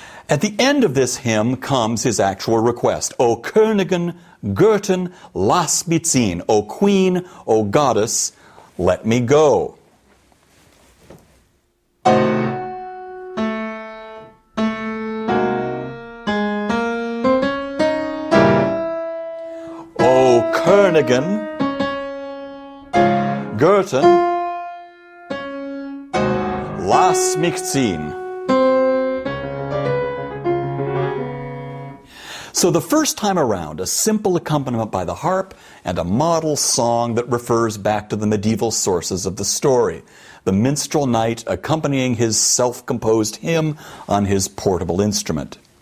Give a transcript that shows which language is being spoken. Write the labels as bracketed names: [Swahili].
[English] At the end of this hymn comes his actual request. [German] O Königin, Göttin, lass mich ziehen. [English] O Queen, O Goddess, let me go. [German] O Königin, Göttin, lass mich ziehen. [English] So the first time around, a simple accompaniment by the harp and a model song that refers back to the medieval sources of the story, the minstrel knight accompanying his self-composed hymn on his portable instrument.